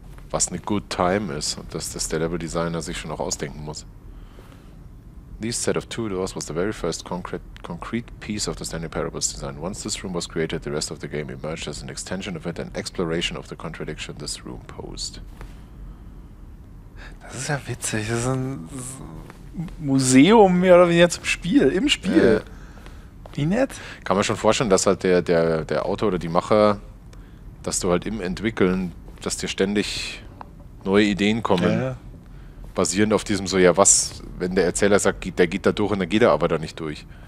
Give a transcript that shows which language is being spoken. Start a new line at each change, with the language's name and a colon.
German: Was eine
English: good time
German: ist und dass das der Level Designer sich schon auch ausdenken muss.
English: This set of two doors was the very first concrete piece of the Stanley Parables design. Once this room was created, the rest of the game emerged as an extension of it, an exploration of the contradiction this room posed.
German: Das ist ja witzig, das ist ein Museum mehr oder weniger zum Spiel, im Spiel. Wie nett. Kann man schon vorstellen, dass halt der Autor oder die Macher, dass du halt im Entwickeln, dass dir ständig neue Ideen kommen, basierend auf diesem so, ja was, wenn der Erzähler sagt, der geht da durch und dann geht er aber da nicht durch.